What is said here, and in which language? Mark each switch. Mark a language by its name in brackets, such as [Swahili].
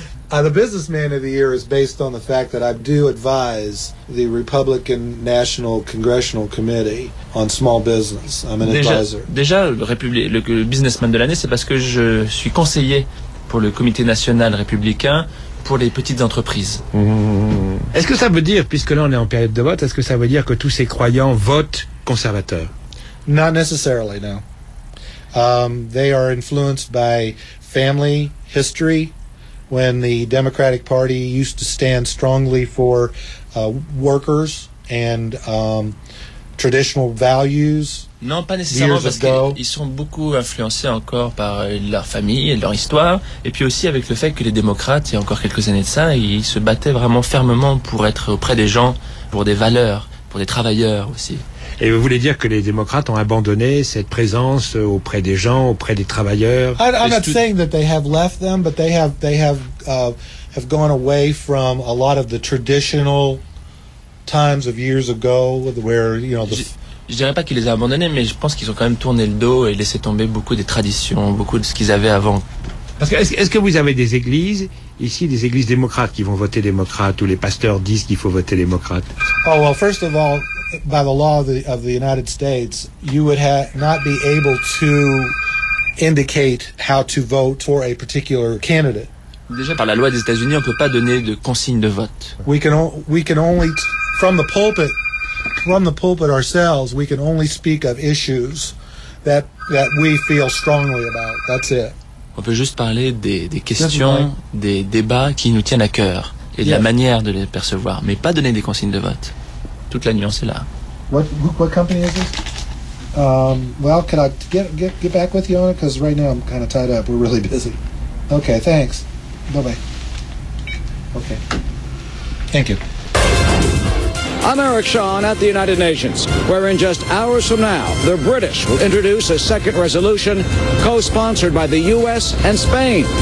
[English] The Businessman of the Year is based on the fact that I do advise the Republican National Congressional Committee on Small Business. I'm an advisor. [French] Déjà, le Businessman de l'année, c'est parce que je suis conseiller pour le Comité National Républicain pour les petites entreprises. Est-ce que ça veut dire, puisque là on est en période de vote, est-ce que ça veut dire que tous ces croyants votent conservateurs? [English] Not necessarily, no. They are influenced by family history. When the Democratic Party used to stand strongly for workers and traditional values. [French] Non, pas nécessairement, parce qu'ils sont beaucoup influencés encore par leur famille et leur histoire, et puis aussi avec le fait que les démocrates, il y a encore quelques années de ça, ils se battaient vraiment fermement pour être auprès des gens, pour des valeurs, pour des travailleurs aussi. Et vous voulez dire que les démocrates ont abandonné cette présence auprès des gens, auprès des travailleurs? [English] I'm not saying that they have left them, but they have gone away from a lot of the traditional times of years ago, where you know the [French] je dirais pas qu'il les a abandonnés, mais je pense qu'ils ont quand même tourné le dos et laissé tomber beaucoup des traditions, beaucoup de ce qu'ils avaient avant. Parce que est-ce que vous avez des églises ici, des églises démocrates qui vont voter démocrate, ou les pasteurs disent qu'il faut voter démocrate? [English] Oh well, first of all, by the law of the United States, you would not be able to indicate how to vote for a particular candidate. [French] Déjà par la loi des États-Unis, on peut pas donner de consigne de vote. [English] We can only from the pulpit ourselves, we can only speak of issues that we feel strongly about. That's it. [French] On peut juste parler des questions, des débats qui nous tiennent à cœur et de la manière de les percevoir, mais pas donner des consignes de vote. Toute la nuance est là. [English] What company is this? Can I get back with you on it? Because right now I'm kind of tied up. We're really busy. Okay, thanks. Bye bye. Okay. Thank you. I'm Eric Shawn at the United Nations, where in just hours from now, the British will introduce a second resolution co-sponsored by the U.S. and Spain.